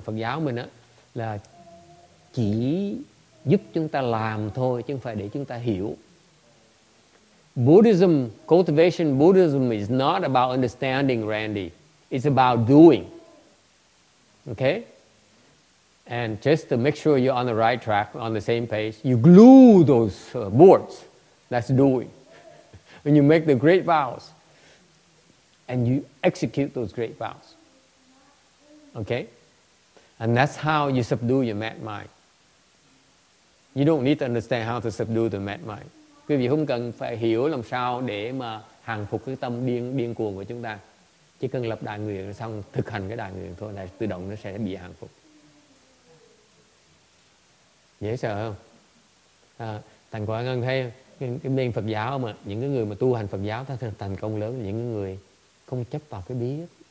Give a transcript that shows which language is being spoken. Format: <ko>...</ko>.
<vi>Phật giáo mình á là chỉ giúp chúng ta làm thôi, chứ không phải để chúng ta hiểu.</vi> <en>Buddhism, cultivation Buddhism is not about understanding, Randy. It's about doing. Okay? And just to make sure you're on the right track, on the same page, you glue those boards. That's doing. When you make the great vows, and you execute those great vows. Okay? And that's how you subdue your mad mind. You don't need to understand how to subdue the mad mind.</en> <vi>Quý vị không cần phải hiểu làm sao để mà hàng phục cái tâm điên cuồng của chúng ta. Chỉ cần lập đại nguyện xong, thực hành cái đại nguyện thôi là tự động nó sẽ bị hàng phục. Dễ sợ không? Thành quả ngân thấy cái bên Phật giáo mà những cái người mà tu hành Phật giáo thành công lớn là những cái người không chấp vào cái biết.</vi>